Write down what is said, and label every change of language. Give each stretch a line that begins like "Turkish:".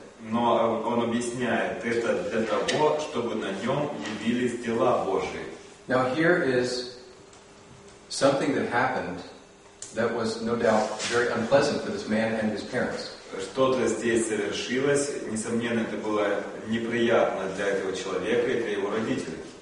Russian: Но он объясняет это для того, чтобы на нем явились дела Божьи.
English: Now here is something that happened that was no doubt very unpleasant for this man and his parents.
Russian: что-то здесь совершилось, несомненно, это было неприятно для этого человека и для его родителей.